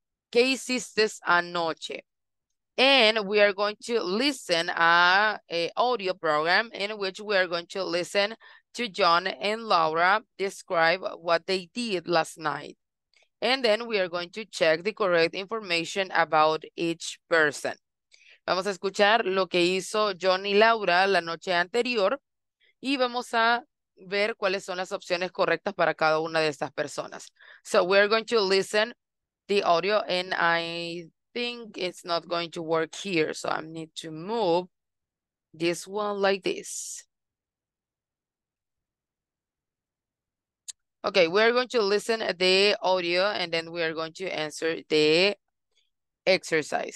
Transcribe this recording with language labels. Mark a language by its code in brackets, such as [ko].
[es] ¿Qué hiciste anoche? [en] And we are going to listen an audio program in which we are going to listen to John and Laura describe what they did last night. And then we are going to check the correct information about each person. [es] Vamos a escuchar lo que hizo John y Laura la noche anterior y vamos a ver cuáles son las opciones correctas para cada una de estas personas. [en] So we are going to listen the audio and I think it's not going to work here. So I need to move this one like this. Okay, we are going to listen to the audio and then we are going to answer the exercise.